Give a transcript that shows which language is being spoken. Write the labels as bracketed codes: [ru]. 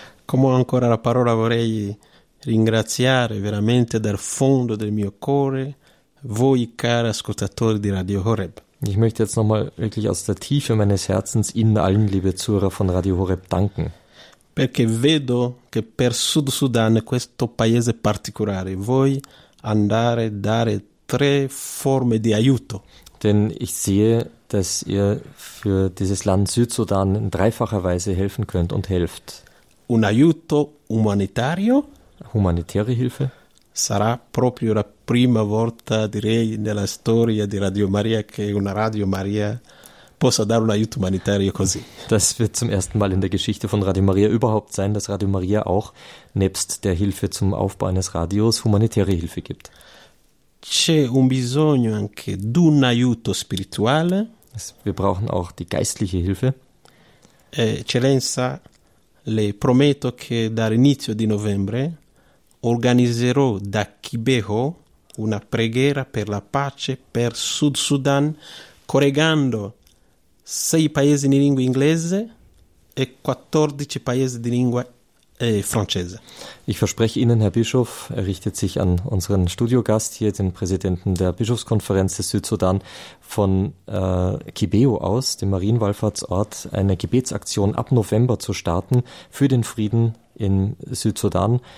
[it] Come ancora la parola, vorrei ringraziare veramente dal fondo del mio cuore voi cari ascoltatori di Radio Horeb. [de] Ich möchte jetzt nochmal wirklich aus der Tiefe meines Herzens Ihnen allen, liebe Zuhörer von Radio Horeb, danken. [it] Perché vedo che per Sud Sudan, questo paese particolare, voi andare a dare tre forme di aiuto. [de] Denn ich sehe, dass ihr für dieses Land Südsudan in dreifacher Weise helfen könnt und helft. [it] Un aiuto umanitario. [de] Humanitäre Hilfe. [it] Sarà proprio la prima volta, direi, nella storia di Radio Maria, che una Radio Maria possa dare un aiuto umanitario così. [de] Das wird zum ersten Mal in der Geschichte von Radio Maria überhaupt sein, dass Radio Maria auch nebst der Hilfe zum Aufbau eines Radios humanitäre Hilfe gibt. [it] C'è un bisogno anche d'un aiuto spirituale. [de] Wir brauchen auch die geistliche Hilfe. [it] Eccellenza, le prometto che dall'inizio di novembre organizzerò da Kibeho una preghiera per la pace per Sud Sudan, collegando 6 paesi di lingua inglese e 14 paesi di lingua francese. [de] Ich verspreche Ihnen, Herr Bischof, er richtet sich an unseren Studiogast hier, den Präsidenten der Bischofskonferenz des Südsudan, von Kibeho aus, dem Marienwallfahrtsort, eine Gebetsaktion ab November zu starten für den Frieden in Südsudan.